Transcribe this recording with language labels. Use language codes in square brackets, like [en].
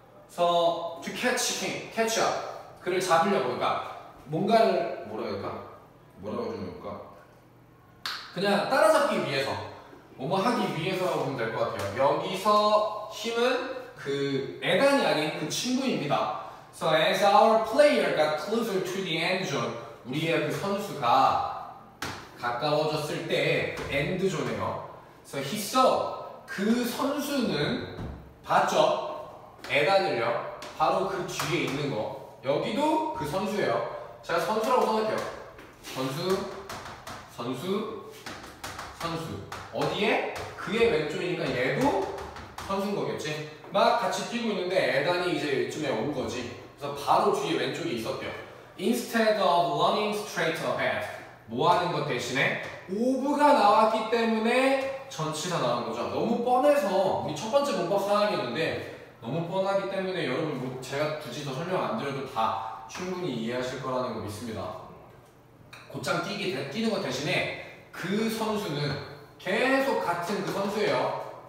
[en] So to catch him, catch up. [ko] 그를 잡으려고. 그러니까 뭔가를 뭐라고 할까? 뭐라고 좀 할까? 그냥 따라잡기 위해서. 뭐뭐 하기 위해서라고 보면 될 것 같아요. 여기서 힘은 그 에단이 아닌 그 친구입니다. [en] So as our player got closer to the end zone, [ko] 우리의 그 선수가 가까워졌을 때 [en] end zone에요. So he saw, [ko] 그 선수는 봤죠? 에단을요. 바로 그 뒤에 있는 거. 여기도 그 선수예요. 제가 선수라고 생각해요. 선수, 선수, 선수. 어디에? 그의 왼쪽이니까 얘도 선수인 거겠지? 막 같이 뛰고 있는데 에단이 이제 이쯤에 온 거지. 그래서 바로 뒤에 왼쪽에 있었대요. [en] Instead of running straight ahead, [ko] 뭐 하는 것 대신에? 오브가 나왔기 때문에 전치가 나온 거죠. 너무 뻔해서 우리 첫 번째 문법 상황이었는데 너무 뻔하기 때문에 여러분 뭐 제가 굳이 더 설명 안 드려도 다 충분히 이해하실 거라는 거 믿습니다. 곧장 뛰는 것 대신에 그 선수는 계속 같은 그 선수예요.